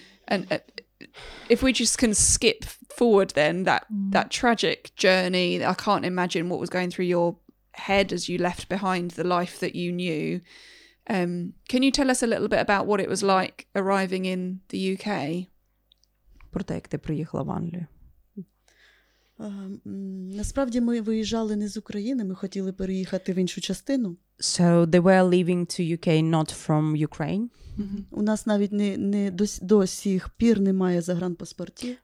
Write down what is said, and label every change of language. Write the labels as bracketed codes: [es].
[en] And if we just can skip forward then, that tragic journey, I can't imagine what was going through your head as you left behind the life that you knew. Can you tell us a little bit about what it was like arriving in the UK? [uk] Про те, як ти приїхала в Англію. Насправді ми виїжджали не з України, ми хотіли переїхати в іншу частину. [en] So they were leaving to UK not from Ukraine. [uk] У нас навіть не до сих пір немає загранпаспортів.